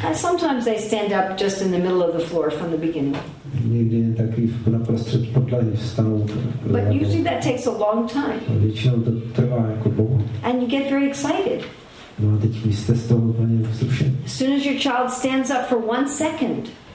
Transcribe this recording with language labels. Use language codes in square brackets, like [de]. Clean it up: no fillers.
[en] And sometimes they stand up just in the middle of the floor from the beginning. [cs] Někdy jen taky naprostřed podlahy vstanou. [en] But usually that takes a long time. [cs] A většinou to trvá jako dlouho. [en] And you get very excited. [cs] No a teď jste z toho úplně vzrušen. [en] As soon as your child stands up for one second,